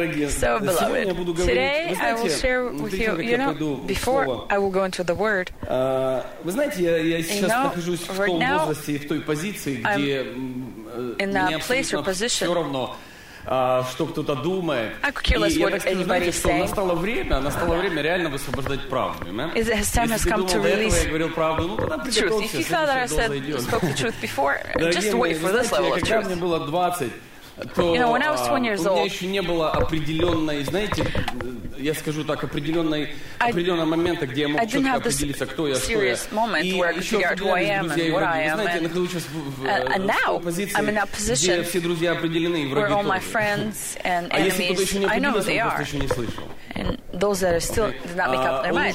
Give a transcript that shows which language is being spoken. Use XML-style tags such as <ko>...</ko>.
<en>So, beloved, today I will share with you, you know, before I will go into the Word, you know, right now I'm in that place or position.</en> <ru>Что кто-то думает.</ru> <en>I could care less what anybody is saying.</en> <ru>Настало время реально высвобождать правду.</ru> <en>Is it his time has come to release truth? If you thought that I said spoke the truth before, just wait for this level of truth.</en> <ru>Когда мне было 20, то,</ru> <en>you know, when I was 20 years old,</en> <ru>у меня еще не было определенной, знаете, я скажу так, определенного момента, где я мог четко определиться, кто я, что я.</ru> <en>Moment where I could figure out who I am and what I am.</en> <ru>Знаете, нахожусь сейчас в позиции,</ru> <en>I'm in that position,</en> <ru>где все друзья определены и враги тоже.</ru> <en>Where all my friends and enemies, I know who they are.</en> <ru>Еще не слышал.</ru> <en>And those that are still did not make up their mind.</en>